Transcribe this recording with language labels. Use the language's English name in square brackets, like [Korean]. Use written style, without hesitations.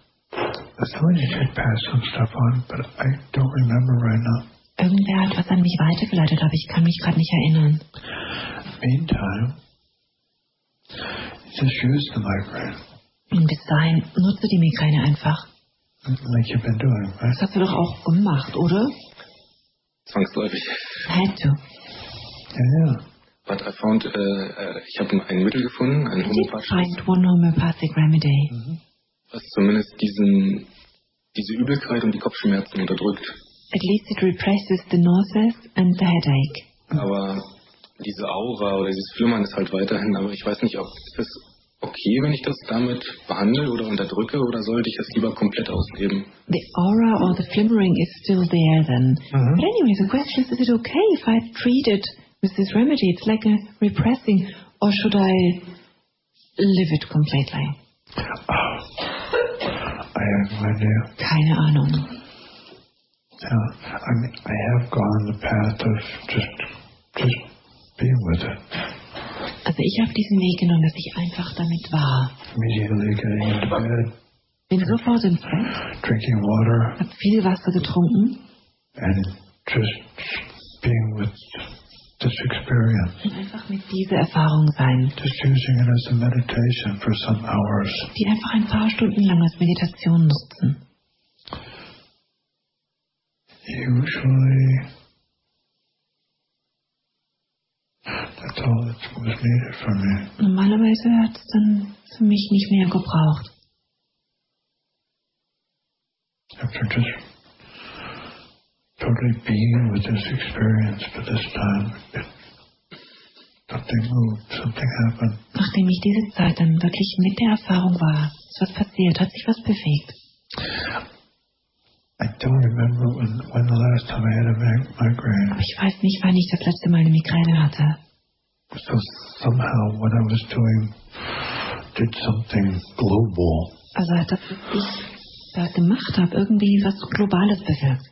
[English] Somebody did pass some stuff on, but I don't remember right now. [German] Irgendwer hat was an mich weitergeleitet, aber ich kann mich gerade nicht erinnern. [English] Meantime, just use the migraine. [German] Und bis dahin, nutze die Migräne einfach. [English] Like you've been doing, right? [German] Das hast du doch auch gemacht, oder? Zwangsläufig. [English] Had to. Yeah, yeah. But I found, [German] ich habe ein Mittel gefunden, ein homöopathisches. [English] You did find one homeopathic remedy. Mm-hmm. [German] Was zumindest diese Übelkeit und die Kopfschmerzen unterdrückt. [English] At least it represses the nauseas and the headache. [German] Aber diese Aura oder dieses Flimmern ist halt weiterhin, aber ich weiß nicht, ob es okay, wenn ich das damit behandle oder unterdrücke, oder sollte ich es lieber komplett ausleben? [English] The aura or the flimmering is still there then. Mm-hmm. But anyway, the question is it okay if I treat it with this remedy? It's like a repressing, or should I live it completely? I have no idea. [German] Keine Ahnung. [English] Yeah, I have gone the path of just being with it. [German] Also ich habe diesen Weg genommen, dass ich einfach damit war. [English] Immediately getting into bed. [German] Bin sofort im Bett. [English] Drinking water. [German] Hab viel Wasser getrunken. [English] And just being with this experience. [German] Einfach mit dieser Erfahrung sein. [English] Just using it as a meditation for some hours. [German] Die einfach ein paar Stunden lang als Meditation nutzen. [English] Usually, that's all that was needed for me. [German] Normalerweise hat es dann für mich nicht mehr gebraucht. [English] After just totally being with this experience for this time. Something moved, something happened. [German] Nachdem ich diese Zeit dann wirklich mit der Erfahrung war, ist was passiert, hat sich was bewegt. [English] I don't remember when the last time I had a migraine. [German] Aber ich weiß nicht, wann ich das letzte Mal eine Migräne hatte. [English] So somehow what I was doing did something global. [German] Also hat das, was ich da gemacht habe, irgendwie was Globales bewirkt.